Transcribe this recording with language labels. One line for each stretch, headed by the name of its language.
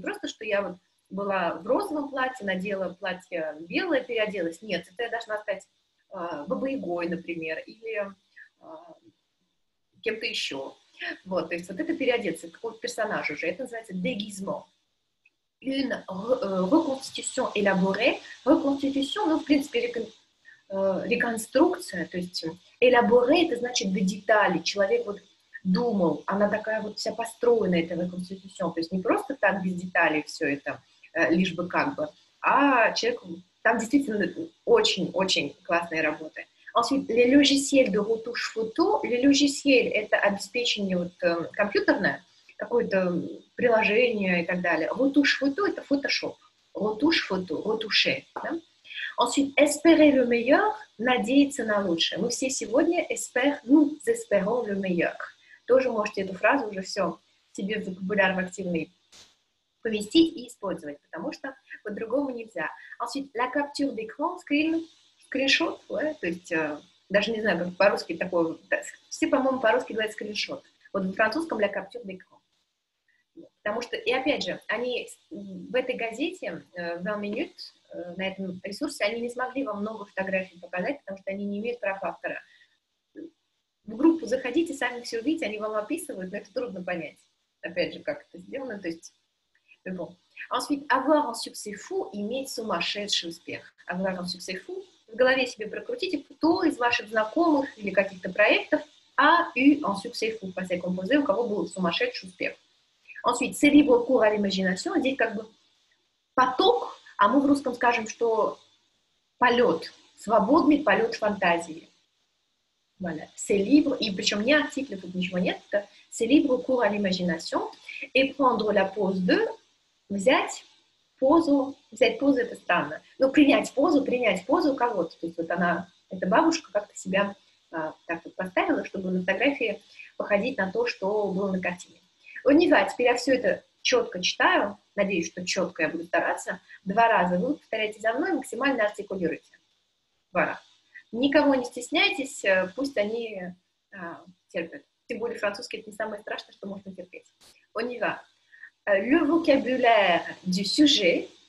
Russian: Не просто, что я вот была в розовом платье, надела платье белое, переоделась. Нет, это я должна стать бабой-ягой, например, или кем-то еще. Вот, то есть вот это переодеться, какой-то персонаж уже. Это называется déguisement.
French: Une reconstitution élaborée.
Russian: Reconstitution, ну, в принципе, реконструкция, то есть elaborate, это значит до деталей, человек вот думал, она такая вот вся построена, эта reconstitution, то есть не просто так без деталей все это, лишь бы как бы, а человек, там действительно очень-очень классные работы.
French: Ensuite, les logiciels de retouche photo, les logiciels,
Russian: это обеспечение вот компьютерное, какое-то приложение и так далее.
French: Retouche photo, это Photoshop. Retouche photo, retouché, да? Ensuite, espérer le meilleur,
Russian: надеяться на лучшее. Мы все сегодня
French: nous espérons le meilleur.
Russian: Тоже можете эту фразу уже все себе в вокабуляр активный поместить и использовать, потому что по-другому нельзя.
French: Ensuite, la capture d'écran,
Russian: screen, screenshot, ouais, то есть, даже не знаю, как по-русски такое, все, по-моему, по-русски говорят screenshot. Вот в французском
French: la capture d'écran.
Russian: Потому что, и опять же, они в этой газете, в 20 минут, на этом ресурсе, они не смогли вам много фотографий показать, потому что они не имеют прав автора. В группу заходите, сами все увидите, они вам описывают, но это трудно понять, опять же, как это сделано. То есть, bon.
French: Ensuite, avoir un succès fou,
Russian: иметь сумасшедший успех.
French: Avoir un succès fou,
Russian: в голове себе прокрутите, кто из ваших знакомых или каких-то проектов
French: a eu un succès fou,
Russian: passé composé, у кого был сумасшедший успех.
French: Ensuite, c'est libre cours à l'imagination,
Russian: здесь как бы поток, а мы в русском скажем, что полет, свободный полет фантазии.
French: Voilà. C'est libre,
Russian: и причем не артикля, тут ничего нет, это
French: c'est libre cours à l'imagination, et prendre la pose de,
Russian: взять позу, это странно, но принять позу кого-то, то есть вот она, эта бабушка как-то себя так вот поставила, чтобы на фотографии походить на то, что было на картине. Вот не знаю, теперь я все это четко читаю, надеюсь, что четко я буду стараться, два раза вы повторяете за мной, максимально артикулируйте.
French: Voilà.
Russian: Никого не стесняйтесь, пусть они терпят. Тем более французский — это не самое страшное, что можно терпеть.
French: On y va. Le vocabulaire du sujet.